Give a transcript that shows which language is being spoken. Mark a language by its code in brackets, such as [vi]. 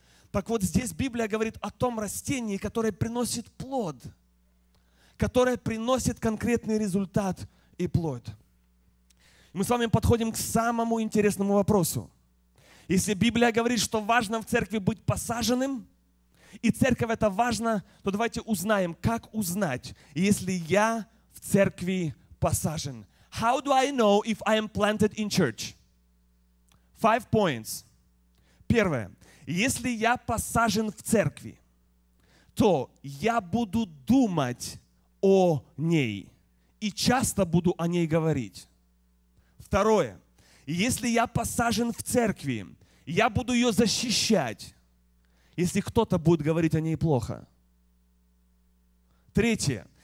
[ru] Так вот, здесь Библия говорит о том растении, которое приносит плод, которое приносит конкретный результат и плод. Мы с вами подходим к самому интересному вопросу. Если Библия говорит, что важно в церкви быть посаженным, и церковь это важно, то давайте узнаем, как узнать, если я в церкви посажен. [en] How do I know if I am planted in church? 5 points. [ru] Первое. Если я посажен в церкви, то я буду думать о ней и часто буду о ней говорить. Второе. Если я посажен в церкви, я буду ее защищать, если кто-то будет говорить о ней плохо. Третье.